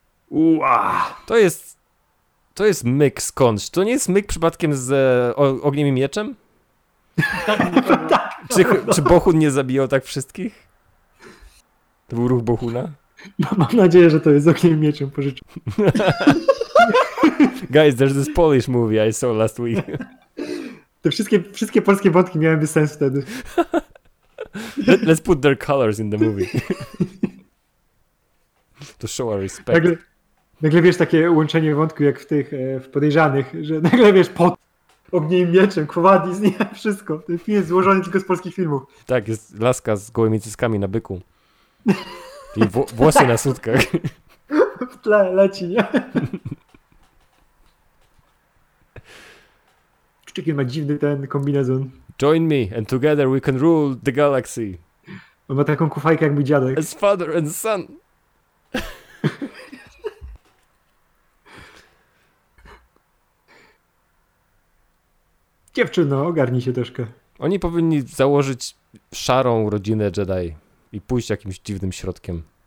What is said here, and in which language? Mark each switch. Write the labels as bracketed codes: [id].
[pl] Ua. To jest To jest myk skądś. To nie jest myk przypadkiem z ogniem i mieczem? Tak, no. Czy Bohun nie zabijał tak wszystkich? To był ruch Bohuna? Mam nadzieję, że to jest ogniem i mieczem pożyczył. [en] Guys, there's this Polish movie I saw last week. [pl] Te wszystkie polskie wątki miałyby sens wtedy. [en] Let's put their colors in the movie. To show our respect. [pl] Nagle wiesz takie łączenie wątku jak w tych w podejrzanych, że nagle wiesz pod ogniem i mieczem, Quo Vadis, nie, wszystko. Ten film jest złożony tylko z polskich filmów. Tak, jest laska z gołymi cyckami na byku. I włosy na sutkach. W tle leci, nie? Czekaj, ma dziwny ten kombinezon. [en] Join me and together we can rule the galaxy. [pl] On ma taką kufajkę jakby dziadek. [en] As father and son. [pl] Dziewczyno, ogarnij się troszkę. Oni powinni założyć szarą rodzinę Jedi i pójść jakimś dziwnym środkiem.